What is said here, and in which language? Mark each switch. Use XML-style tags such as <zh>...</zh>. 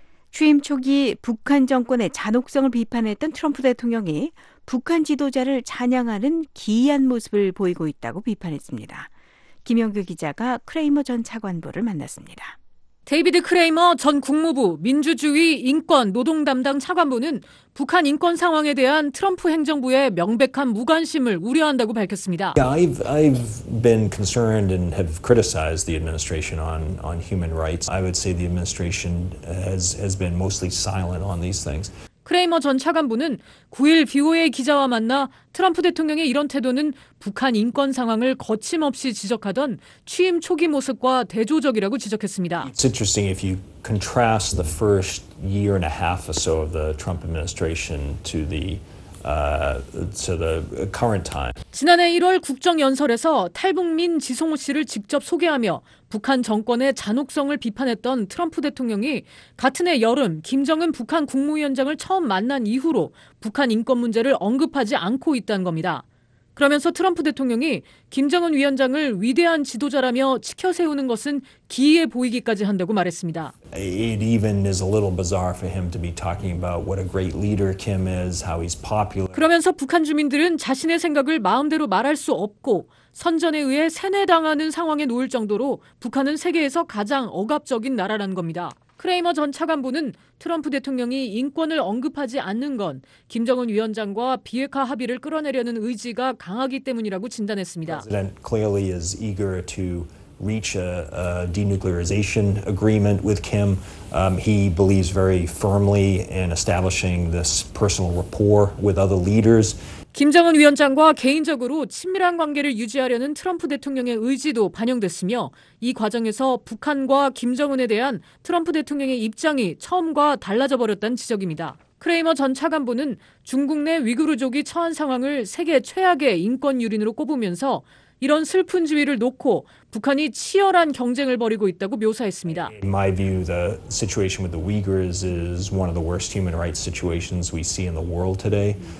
<ko>취임 초기 북한 정권의 잔혹성을 비판했던 트럼프 대통령이 북한 지도자를 찬양하는 기이한 모습을 보이고 있다고 비판했습니다. 김영규 기자가 크레이머 전 차관보를 만났습니다. 데이비드 크레이머 전 국무부 민주주의 인권노동 담당 차관보는 북한 인권 상황에 대한 트럼프 행정부의 명백한 무관심을 우려한다고 밝혔습니다.</ko> <en>I've been concerned and have criticized the administration on human rights. I would say the administration has been mostly silent on these things.</en> <ko>크레이머 전 차관보는 9일 VOA 기자와 만나 트럼프 대통령의 이런 태도는 북한 인권 상황을 거침없이 지적하던 취임 초기 모습과 대조적이라고 지적했습니다.</ko> <en>It's interesting if you contrast the first year and a half or so of the Trump administration to the current time.</en> <ko>지난해 1월 국정연설에서 탈북민 지송우 씨를 직접 소개하며 북한 정권의 잔혹성을 비판했던 트럼프 대통령이 같은 해 여름 김정은 북한 국무위원장을 처음 만난 이후로 북한 인권 문제를 언급하지 않고 있다는 겁니다. 그러면서 트럼프 대통령이 김정은 위원장을 위대한 지도자라며 치켜세우는 것은 기이해 보이기까지 한다고 말했습니다.</ko> <en>It even is a little bizarre for him to be talking about what a great leader Kim is, how he's popular.</en> <ko>그러면서 북한 주민들은 자신의 생각을 마음대로 말할 수 없고 선전에 의해 세뇌당하는 상황에 놓일 정도로 북한은 세계에서 가장 억압적인 나라라는 겁니다. 크레이머 전 차관보는 트럼프 대통령이 인권을 언급하지 않는 건 김정은 위원장과 비핵화 합의를 끌어내려는 의지가 강하기 때문이라고 진단했습니다.</ko> <en>President clearly is eager to reach a denuclearization agreement with Kim. He believes very firmly in establishing this personal rapport with other leaders.</en> <ko>김정은 위원장과 개인적으로 친밀한 관계를 유지하려는 트럼프 대통령의 의지도 반영됐으며 이 과정에서 북한과 김정은에 대한 트럼프 대통령의 입장이 처음과 달라져 버렸다는 지적입니다. 크레이머 전 차관보는 중국 내 위구르족이 처한 상황을 세계 최악의 인권 유린으로 꼽으면서 이런 슬픈 지위를 놓고 북한이 치열한 경쟁을 벌이고 있다고 묘사했습니다.</ko> <en>In my view, the situation with the Uyghurs is one of the worst human rights situations we see in the world today.</en>